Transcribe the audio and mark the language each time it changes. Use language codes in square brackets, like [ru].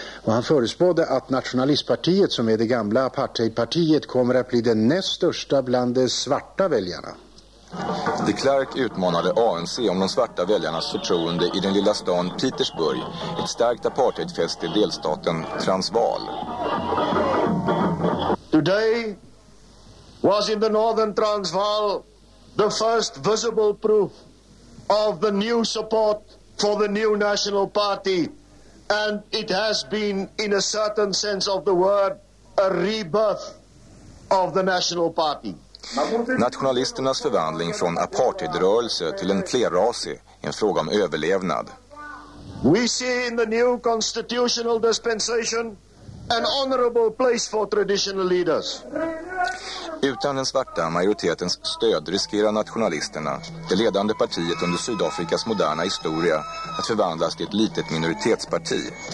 [sv] Och han förutspådde att nationalistpartiet, som är det gamla apartheidpartiet, kommer att bli den näst största bland de svarta väljarna. De Klerk utmanade ANC om de svarta väljarnas förtroende i den lilla stan Pietersburg, ett starkt apartheidfäste i delstaten Transvaal. [en] Today was in the northern Transvaal the first visible proof of the new support for the new national party, and it has been in a certain sense of the word a rebirth of the national party. [sv] Nationalisternas förvandling från apartheidrörelse till en flerrasig är en fråga om överlevnad. [en] We see in the new constitutional dispensation an honorable place for traditional leaders. [sv] Utan den svarta majoritetens stöd riskerar nationalisterna, det ledande partiet under Sydafrikas moderna historia, att förvandlas till ett litet minoritetsparti.